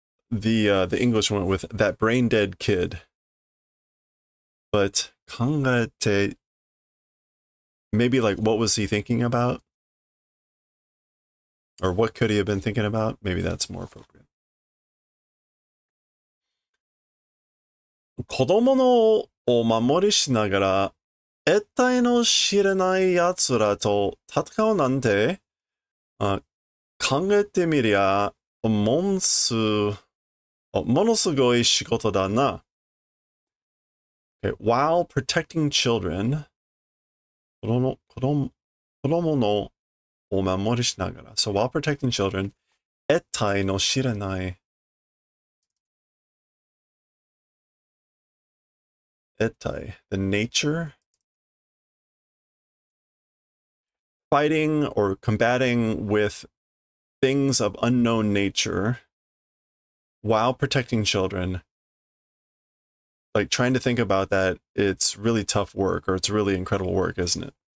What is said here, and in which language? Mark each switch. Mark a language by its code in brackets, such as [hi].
[en] The English one with that brain dead kid. But kangaete, maybe like what was he thinking about? Or what could he have been thinking about? Maybe that's more appropriate. [ja] 子供のお守りしながら、得体の知れない奴らと戦うなんて、考えてみりゃ、ものすごい仕事だな。 [en] Okay. While protecting children, [ja] 子供のお守りしながら、 [en] So while protecting children, [ja] 得体の知れない、 [en] Etai, the nature, fighting or combating with things of unknown nature while protecting children, like trying to think about that, it's really tough work or it's really incredible work, isn't it?